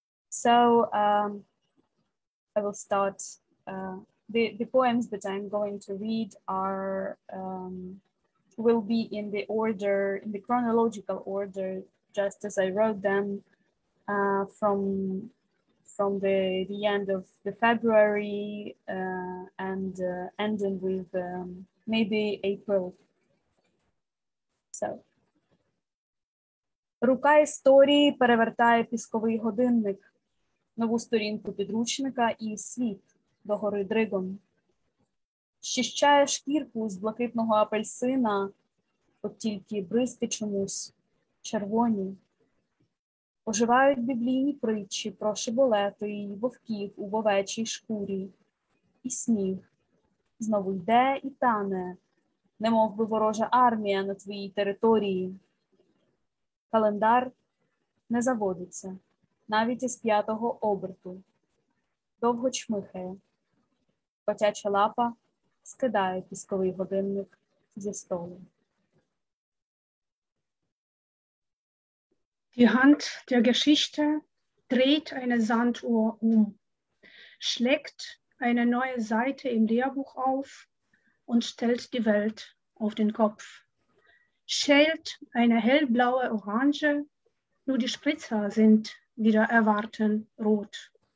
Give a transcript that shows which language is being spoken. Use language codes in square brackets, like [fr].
[en] So I will start. The poems that I'm going to read are will be in the order, in the chronological order, just as I wrote them from the end of the February and ending with maybe April. So. [uk] Рука історії перевертає пісковий годинник, нову сторінку підручника і світ до гори дригом. Щищає шкірку з блакитного апельсина, от тільки бризки чомусь червоні. Оживають біблійні притчі про шиболети і вовків у вовечій шкурі. І сніг знову йде і тане, немов би ворожа армія на твоїй території. Календар не заводиться, навіть із п'ятого оберту. Довго чмихає. Котяча лапа скидає пісковий годинник зі столу. [de] Die Hand der Geschichte dreht eine Sanduhr um, schlägt eine neue Seite im Lehrbuch auf und stellt die Welt auf den Kopf. Schält eine hellblaue Orange, nur die Spritzer sind wieder erwarten rot.